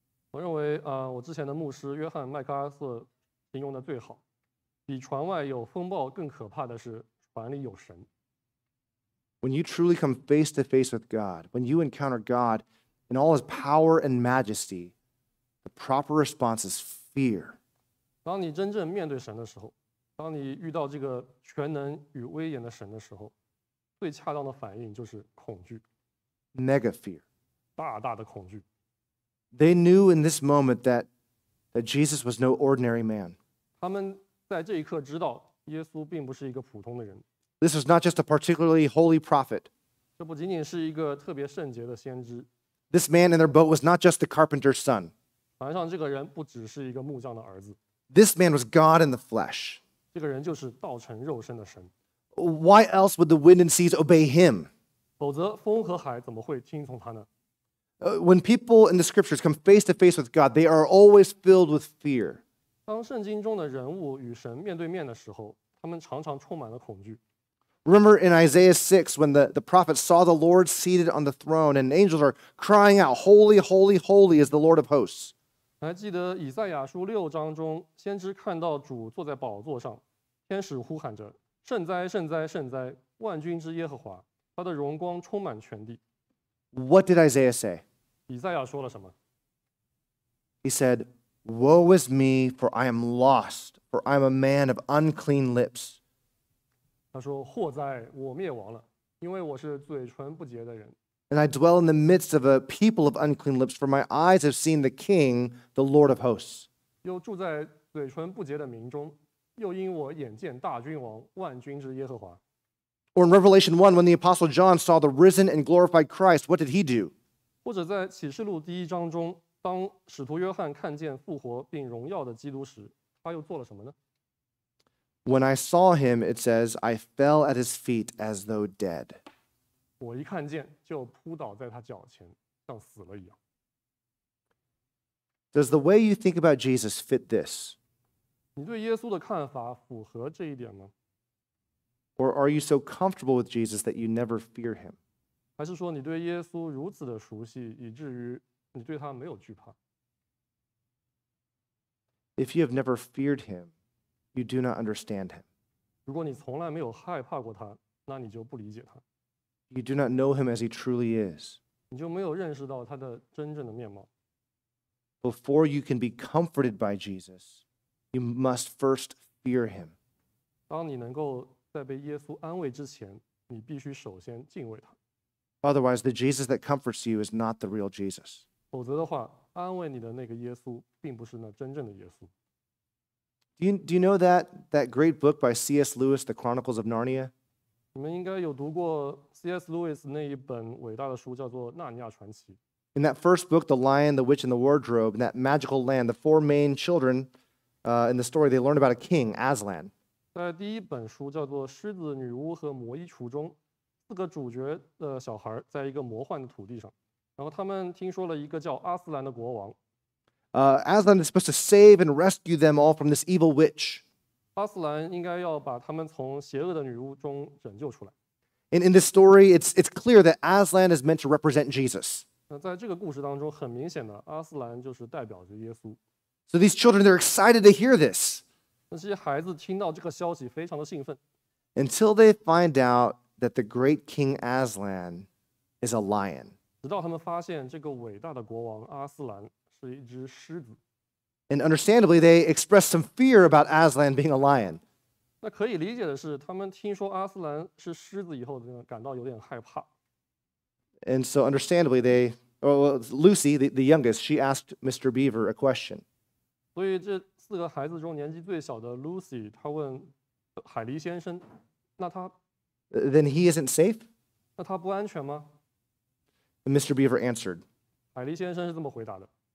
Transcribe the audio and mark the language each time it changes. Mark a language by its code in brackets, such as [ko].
[zh] 我认为，我之前的牧师约翰麦克阿瑟形容的最好，比船外有风暴更可怕的是船里有神。 [en] When you truly come face to face with God, when you encounter God in all His power and majesty, the proper response is fear. [zh] 当你真正面对神的时候，当你遇到这个全能与威严的神的时候。最恰当的反应就是恐惧 [en] Mega fear [zh] 大大的恐惧 [en] They knew in this moment that Jesus was no ordinary man [zh] 他们在这一刻知道耶稣并不是一个普通的人 [en] This was not just a particularly holy prophet [zh] 这不仅仅是一个特别圣洁的先知 [en] This man in their boat was not just the carpenter's son [zh] 船上这个人不只是一个木匠的儿子 [en] This man was God in the flesh [zh] 这个人就是道成肉身的神 [en] Why else would the wind and seas obey him? [zh] 否则风和海怎么会听从他呢? [en] When people in the scriptures come face to face with God, they are always filled with fear. [zh] 当圣经中的人物与神面对面的时候，他们常常充满了恐惧。 [en] Remember in Isaiah 6 when the prophet saw the Lord seated on the throne and angels are crying out, Holy, holy, holy is the Lord of hosts. [zh] 还记得以赛亚书六章中，先知看到主坐在宝座上，天使呼喊着。圣哉，圣哉，圣哉！万军之耶和华，他的荣光充满全地。 [en] What did Isaiah say? [zh] 以赛亚说了什么 [en] ？He said, "Woe is me, for I am lost, for I am a man of unclean lips." [zh] 他说：“祸哉，我灭亡了，因为我是嘴唇不洁的人。 [en] ”And I dwell in the midst of a people of unclean lips, for my eyes have seen the King, the Lord of hosts. [zh] 又住在嘴唇不洁的民中。又因我眼见大君王万军之耶和华。 [en] Or in Revelation 1, when the Apostle John saw the risen and glorified Christ, what did he do? [zh] 或者在启示录第一章中，当使徒约翰看见复活并荣耀的基督时，他又做了什么呢？ [en] When I saw him, it says, I fell at his feet as though dead. [zh] 我一看见就扑倒在他脚前，像死了一样。 [en] Does the way you think about Jesus fit this? [zh] 你对耶稣的看法符合这一点吗 [en] ？Or are you so comfortable with Jesus that you never fear him？ [zh] 还是说你对耶稣如此的熟悉，以至于你对他没有惧怕 [en] ？If you have never feared him, you do not understand him。 [zh] 如果你从来没有害怕过他，那你就不理解他。 [en] You do not know him as he truly is。 [zh] 你就没有认识到他的真正的面貌。 [en] Before you can be comforted by Jesus。 You must first fear him. [zh] 当你能够在被耶稣安慰之前，你必须首先敬畏他。 [en] Otherwise, the Jesus that comforts you is not the real Jesus. [zh] 否则的话，安慰你的那个耶稣并不是那真正的耶稣。 [en] Do you know that great book by C.S. Lewis, The Chronicles of Narnia? [zh] 你们应该有读过 C.S. Lewis 那一本伟大的书，叫做《纳尼亚传奇》。 [en] In that first book, The Lion, the Witch, and the Wardrobe, in that magical land, the four main children. In the story, they learn about a king, Aslan. [zh] 在第一本书叫做《狮子、女巫和魔衣橱》中，四个主角的小孩在一个魔幻的土地上，然后他们听说了一个叫阿斯兰的国王。 [en] Aslan is supposed to save and rescue them all from this evil witch. [zh] 阿斯兰应该要把他们从邪恶的女巫中拯救出来。 [en] In this story, it's clear that Aslan is meant to represent Jesus. [zh] 在这个故事当中，很明显的，阿斯兰就是代表着耶稣。 [en] So these children, they're excited to hear this. [zh] 那些孩子听到这个消息非常的兴奋。 [en] Until they find out that the great king Aslan is a lion. [zh] 直到他们发现这个伟大的国王阿斯兰是一只狮子。 [en] And understandably, they express some fear about Aslan being a lion. [zh] 那可以理解的是，他们听说阿斯兰是狮子以后，感到有点害怕。 [en] And so understandably, they, Lucy, the youngest, she asked Mr. Beaver a question. [zh] 所以这四个孩子中年纪最小的 Lucy, 她问海狸先生，那他 [en] Then he isn't safe? [zh] 那他不安全吗？ [en] And Mr. Beaver answered. [zh] 海狸先生是这么回答的。